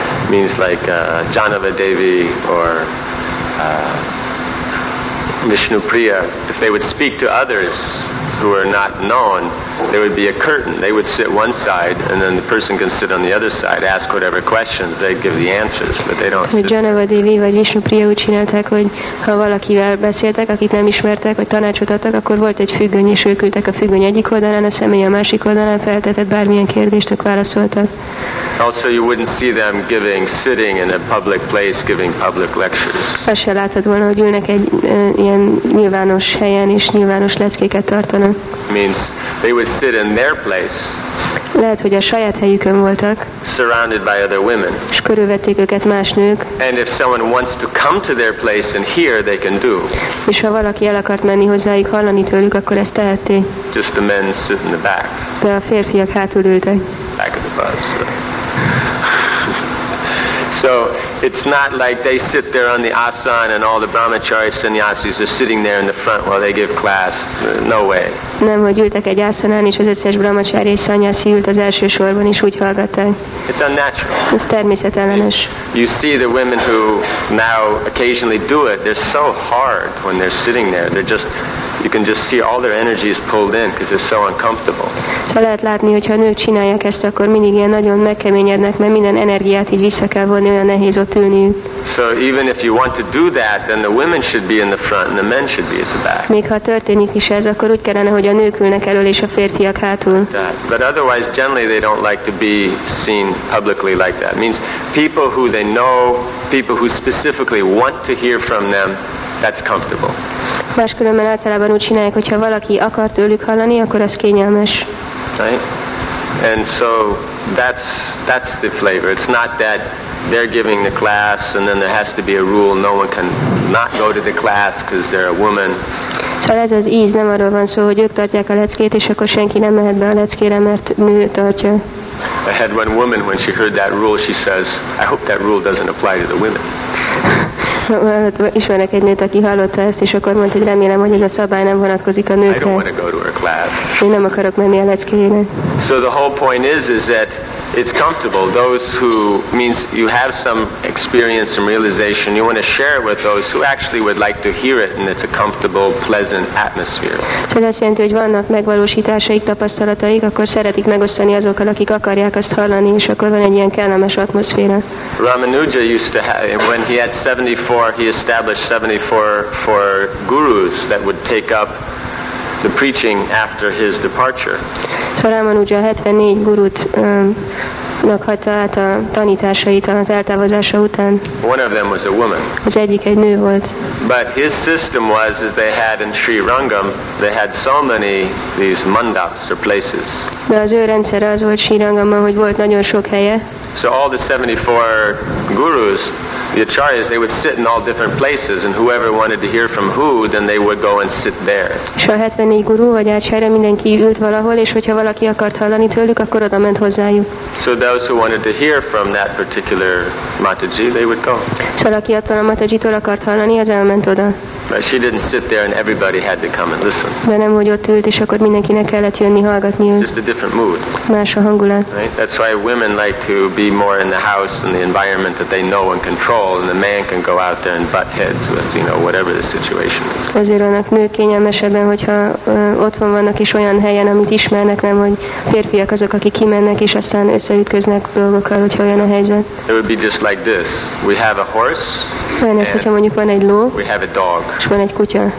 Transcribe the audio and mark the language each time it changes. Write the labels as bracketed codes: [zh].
[en] Means like Janava Devi or Vishnu Priya, if they would speak to others who are not known, there would be a curtain. They would sit one side, and then the person can sit on the other side, ask whatever questions, they'd give the answers, but they don't sit. [hu] Janava Devi vagy Vishnu Priya úgy csinálták, hogy ha valakivel beszéltek, akit nem ismertek, vagy tanácsot adtak, akkor volt egy függöny, és ők ültek a függöny egyik oldalán, a személy a másik oldalán, feltetett bármilyen kérdést, ők válaszoltak. [en] Also, you wouldn't see them sitting in a public place giving public lectures. [hu] Azt se látod volna, hogy ülnek egy ilyen nyilvános helyen és nyilvános leckéket tartanak. [en] Means they would sit in their place. [hu] Lehet, hogy a saját helyükön voltak. [en] Surrounded by other women. [hu] És körülvették őket más nők. [en] And if someone wants to come to their place and hear, they can do. [hu] És ha valaki el akart menni hozzájuk hallani tőlük, akkor ezt tehetté. [en] Just the men sit in the back. [hu] De a férfiak hátul ültek. [en] Back of the bus. So it's not like they sit there on the asan and all the brahmachari sannyasis are sitting there in the front while they give class. No way. [hu] Nem, hogy ültek egy asanán, és az összes brahmachari és sannyasi ült az első sorban, és úgy hallgatták. [en] It's unnatural. [hu] Ez természetellenes. [en] You see the women who now occasionally do it, they're so hard when they're sitting there. They're just, you can just see all their energy is pulled in because it's so uncomfortable. [hu] Ha lehet látni, hogyha a nők csinálják ezt, akkor mindig ilyen nagyon megkeményednek, mert minden energiát így vissza kell volni, olyan nehéz ott ülni. [en] So even if you want to do that, then the women should be in the front and the men should be at the back. [hu] Még ha történik is ez, akkor úgy kellene, hogy a nők ülnek elől és a férfiak hátul. [en] But otherwise, generally they don't like to be seen publicly like that. It means people who they know, people who specifically want to hear from them, that's comfortable. [hu] Máskülönben általában úgy csinálják, hogyha valaki akar tőlük hallani, akkor az kényelmes. [en] Right? And so that's the flavor. It's not that they're giving the class and then there has to be a rule no one can not go to the class because they're a woman. [hu] Szóval ez az íz, nem arról van szó, hogy ők tartják a leckét, és akkor senki nem mehet be a leckére, mert nő tartja. [en] I had one woman, when she heard that rule, she says, I hope that rule doesn't apply to the women. [hu] Ismerek egy nőt, aki hallotta ezt, és akkor mondta, hogy remélem, hogy ez a szabály nem vonatkozik a nőkre. [en] I don't want to go to her class. [hu] Én nem akarok menni a leckére. [en] So the whole point is that it's comfortable. Those who, means you have some experience, some realization, you want to share it with those who actually would like to hear it, and it's a comfortable, pleasant atmosphere. [hu] Ez azt jelenti, hogy vannak megvalósításaik, tapasztalataik, akkor szeretik megosztani azokkal, akik akarják azt hallani, és akkor van egy ilyen kellemes atmoszféra. [en] Ramanuja used to have, when he had 74, he established 74 for gurus that would take up the preaching after his departure. [hu] Ramanuja 74 gurut hagyta át a tanításait az eltávozása után. [en] One of them was a woman. [hu] Az egyik egy nő volt. [en] But his system was, as they had in Sri Rangam, they had so many these mandaps or places. [hu] De az ő rendszere az volt Sri Rangamban, hogy volt nagyon sok helye. [en] So all the 74 gurus, the acharyas, they would sit in all different places, and whoever wanted to hear from who, then they would go and sit there. [hu] És a 74 guru vagy acharya mindenki ült valahol, és hogyha valaki akart hallani tőlük, akkor oda ment hozzájuk. [en] So those who wanted to hear from that particular Mataji, they would go. [hu] Szóval aki attól a Matajitól akart hallani, az elment oda. [en] But she didn't sit there and everybody had to come and listen. [hu] De nem, hogy ott ült, és akkor mindenkinek kellett jönni hallgatni. [en] It's just a different mood. [hu] Más a hangulat. [en] Right? That's why women like to be more in the house and the environment that they know and control, and the man can go out there and butt heads with, you know, whatever the situation is. [hu] Ezért vannak nők kényelmesebben, hogyha otthon vannak és olyan helyen, amit ismernek, nem, hogy férfiak azok, akik kimennek és aztán összeütköznek dolgokkal, hogyha olyan a helyzet. [en] It would be just like this. We have a horse. [hu] Van ez, hogyha mondjuk van egy ló. [en] We have a dog. [hu] És van egy kutya.